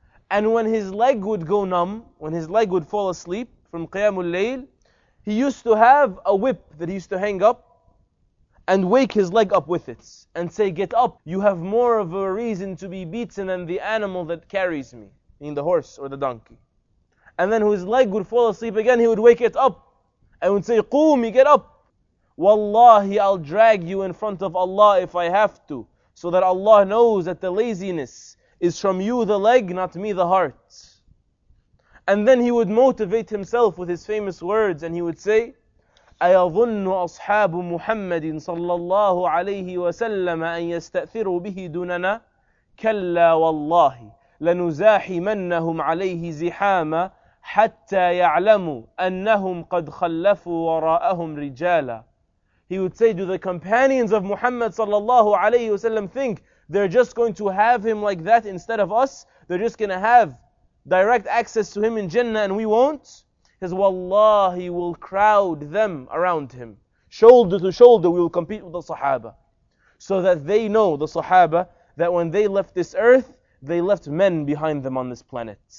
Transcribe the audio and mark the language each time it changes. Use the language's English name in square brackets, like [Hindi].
[English] And when his leg would go numb, when his leg would fall asleep from Qiyamul Layl, he used to have a whip that he used to hang up and wake his leg up with it and say, "Get up, you have more of a reason to be beaten than the animal that carries me," meaning the horse or the donkey. And then his leg would fall asleep again, he would wake it up and would say, "Qumi, get up. Wallahi, I'll drag you in front of Allah if I have to, so that Allah knows that the laziness is from you the leg, not me the heart." And then he would motivate himself with his famous words, and he would say, [Arabic] أَيَظُنُّ أَصْحَابُ مُحَمَّدٍ صَلَّى اللَّهُ عَلَيْهِ وَسَلَّمَ أَنْ يَسْتَأْثِرُوا بِهِ دُونَنَا كَلَّا وَاللَّهِ لَنُزَاحِمَنَّهُمْ عَلَيْهِ زِحَامًا حَتَّى يَعْلَمُوا أَنَّهُمْ قَدْ خَلَّفُوا وَرَاءَهُمْ رِجَالًا. [English] He would say, "Do the companions of Muhammad sallallahu alayhi wasallam think they're just going to have him like that instead of us? They're just going to have direct access to him in Jannah and we won't?" His wallahi, will crowd them around him. Shoulder to shoulder, we will compete with the Sahaba. So that they know, the Sahaba, that when they left this earth, they left men behind them on this planet.